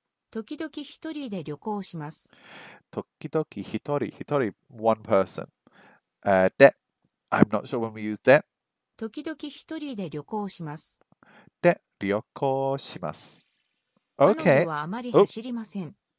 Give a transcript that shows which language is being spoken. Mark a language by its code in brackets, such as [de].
[ja] 時々一人で旅行します. 時々一人, [en] one person. で, I'm not sure when we use で. [ja] 時々一人で旅行します. で, 旅行します. [en] Okay. [ja] 彼女はあまり走りません.